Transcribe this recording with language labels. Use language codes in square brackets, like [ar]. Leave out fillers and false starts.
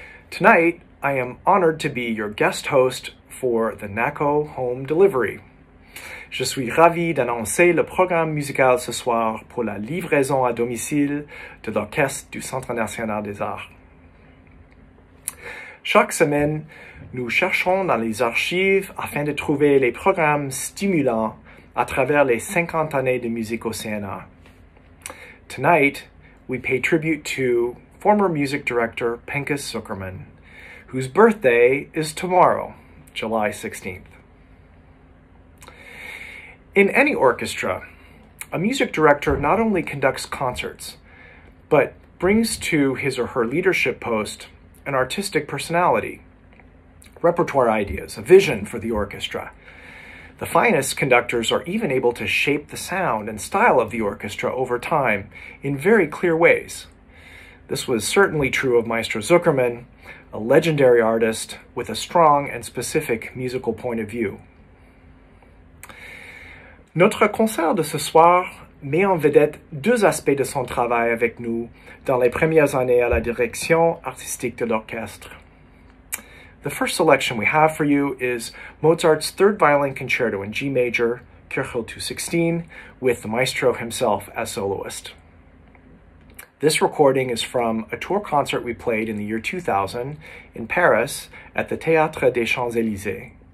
[en] Tonight, I am honored to be your guest host for the NACO home delivery. [fr] Je suis ravi d'annoncer le programme musical ce soir pour la livraison à domicile de l'Orchestre du Centre National des Arts. Chaque semaine, nous cherchons dans les archives afin de trouver les programmes stimulants à travers les 50 années de musique au CNA. [en] Tonight, we pay tribute to former music director Pincus Zukerman, whose birthday is tomorrow, July 16th. In any orchestra, a music director not only conducts concerts, but brings to his or her leadership post an artistic personality, repertoire ideas, a vision for the orchestra. The finest conductors are even able to shape the sound and style of the orchestra over time in very clear ways. This was certainly true of Maestro Zukerman, a legendary artist with a strong and specific musical point of view. [fr] Notre concert de ce soir met en vedette deux aspects de son travail avec nous dans les premières années à la direction artistique de l'orchestre. [en] The first selection we have for you is Mozart's Third Violin Concerto in G Major, Kirchhoff 216, with the maestro himself as soloist. This recording is from a tour concert we played in the year 2000 in Paris at the Théâtre des Champs-Élysées.